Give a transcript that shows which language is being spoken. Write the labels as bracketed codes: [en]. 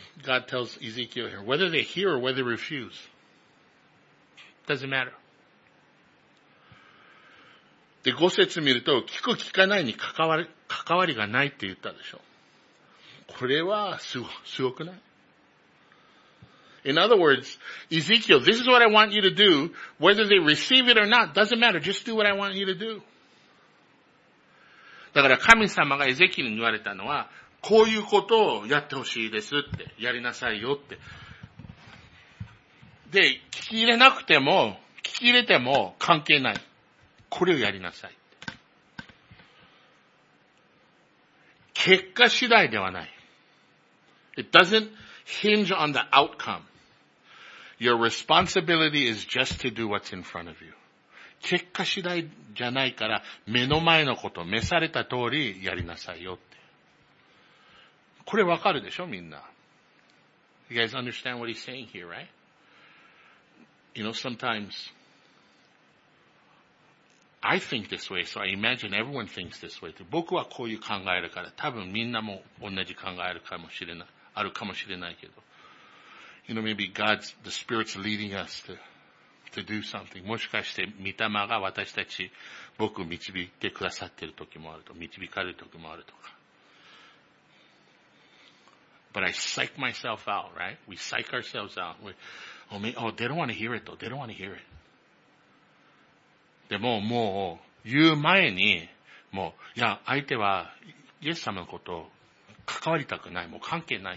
[en] God tells Ezekiel here, whether they hear or whether they refuse, doesn't matter. [ja] で、5節見ると、聞く聞かないに関わりがないって言ったでしょ。これは、すごくない? [en] In other words, Ezekiel, this is what I want you to do, whether they receive it or not, doesn't matter, just do what I want you to do. [ja] だから神様がエゼキエルに言われたのは、こういうことをやってほしいですって、やりなさいよって。で、聞き入れなくても、聞き入れても関係ない。これをやりなさいって。結果次第ではない。 [en] It doesn't hinge on the outcome. Your responsibility is just to do what's in front of you. [ja] 結果次第じゃないから、目の前のこと、召された通りやりなさいよって。これわかるでしょ、みんな。 [en] You guys understand what he's saying here, right? You know, sometimes,I think this way, so I imagine everyone thinks this way. [ja] 僕はこういう考えるから、多分みんなも同じ考えるかもしれない、あるかもしれないけど。 [en] You know, maybe God's, the Spirit's leading us to do something. [ja] もしかして、御霊が私たち、僕を導いてくださっている時もあると、導かれる時もあるとか。 [en] But I psych myself out, right? We psych ourselves out. Oh, they don't want to hear it though. They don't want to hear it. [ja] でも、もう、言う前に、もう、いや、相手は、イエス様のこと、関わりたくない。もう関係ない。